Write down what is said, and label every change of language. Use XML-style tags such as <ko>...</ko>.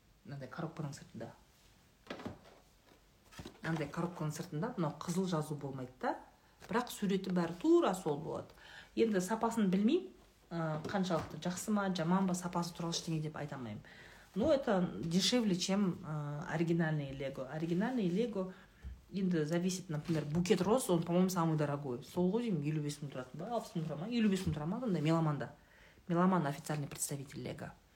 <kk>Андай коробканың сыртында. Андай коробканың сыртында мынау қызыл жазу болмайды да, бірақ суреті бәрі тура сол болады. Енді сапасын білмеймін, қаншалықты жақсы ма, жаман ба, сапасы туралы ештеңе деп айта алмаймын.</kk> <ru>Ну, это дешевле, чем оригинальный Лего. Оригинальный Лего, енді зависит, например, букет роз, он, по-моему, самый дорогой.</ru> <kk>Сол ғой деймін, 55 мың тұратын ба, 60 мың тұра ма, 55 мың тұра ма, андай меломанда.</kk> <ru>Меломан официальный представитель Лего.</ru>